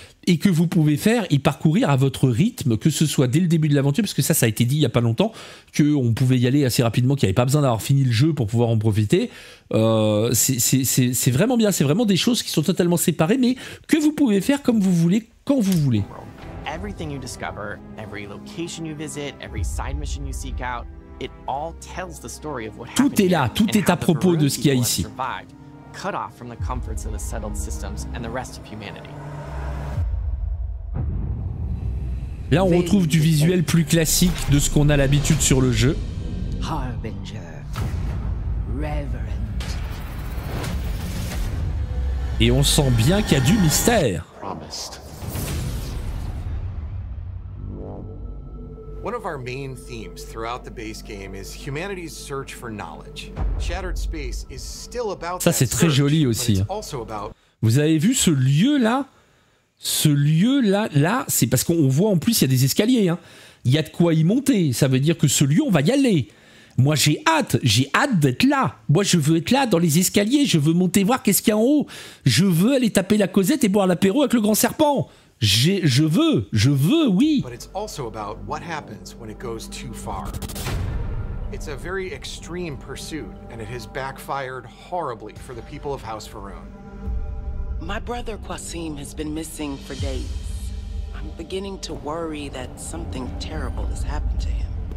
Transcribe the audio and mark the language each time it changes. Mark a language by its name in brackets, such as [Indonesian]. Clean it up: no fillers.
[French] Et que vous pouvez faire et parcourir à votre rythme, que ce soit dès le début de l'aventure, parce que ça a été dit il n'y a pas longtemps, qu'on pouvait y aller assez rapidement, qu'il n'y avait pas besoin d'avoir fini le jeu pour pouvoir en profiter. C'est vraiment bien, c'est vraiment des choses qui sont totalement séparées, mais que vous pouvez faire comme vous voulez, quand vous voulez. [English] Everything you discover, every location you visit, every side mission you seek out, it all tells the story of what happened. [French] Tout est là, tout est à propos de ce qu'il y a ici. [English] Cut off from the comforts of the settled systems and the rest of humanity. [French] Là, on retrouve du visuel plus classique de ce qu'on a l'habitude sur le jeu. [English] Harbinger, reverent. [French] Et on sent bien qu'il y a du mystère. [English] Promised. One of our main themes throughout the base game is humanity's search for knowledge. Shattered Space is still about. [French] Ça, c'est très joli aussi. Vous avez vu ce lieu là? Ce lieu là, là, c'est parce qu'on voit en plus il y a des escaliers, hein. Il y a de quoi y monter. Ça veut dire que ce lieu, on va y aller. Moi, j'ai hâte d'être là. Moi, je veux être là dans les escaliers. Je veux monter voir qu'est-ce qu'il y a en haut. Je veux aller taper la causette et boire l'apéro avec le grand serpent. Je veux, oui. [English] But it's also about what happens when it goes too far. It's a very extreme pursuit, and it has backfired horribly for the people of House Faerûn. My brother Qasim has been missing for days. I'm beginning to worry that something terrible has happened to him.